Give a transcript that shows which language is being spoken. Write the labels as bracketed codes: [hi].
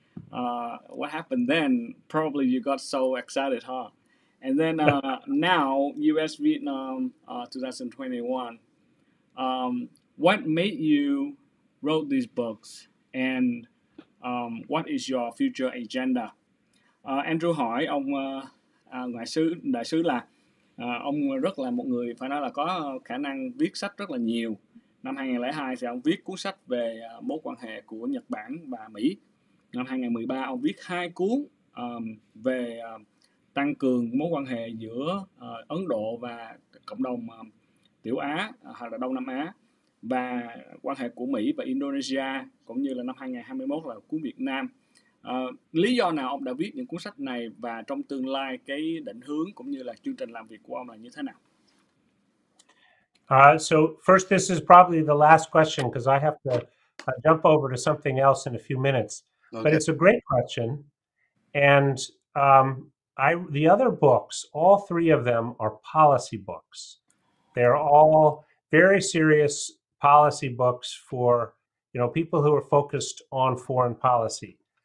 [en] What happened then? Probably you got so excited, huh? And then now, US-Vietnam 2021. What made you wrote these books, and what is your future agenda? [vi] Andrew hỏi ông ngoại sứ đại sứ là ông rất là một người phải nói là có khả năng viết sách rất là nhiều. Năm 2002 thì ông viết cuốn sách về mối quan hệ của Nhật Bản và Mỹ. Năm 2013 ông viết hai cuốn về tăng cường mối quan hệ giữa Ấn Độ và cộng đồng Tiểu Á hoặc là Đông Nam Á, và quan hệ của Mỹ và Indonesia, cũng như là năm 2021 là cuốn Việt Nam. Lý do nào ông đã viết những cuốn sách này, và trong tương lai cái định hướng cũng như là chương trình làm việc của ông là như thế nào? [en] So first, this is probably the last question because I have to jump over to something else in a few minutes. Okay. But it's a great question. And the other books, all three of them are policy books. They're all very serious policy books for, you know, people who are focused on foreign policy.